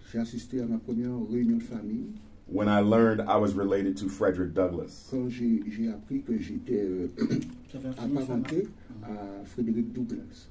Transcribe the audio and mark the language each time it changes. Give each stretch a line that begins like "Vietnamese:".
French: J'ai assisté à ma première réunion de famille.
English: When I learned I was related to Frederick Douglass.
French: Quand j'ai appris que j'étais apparenté à Frederick Douglass.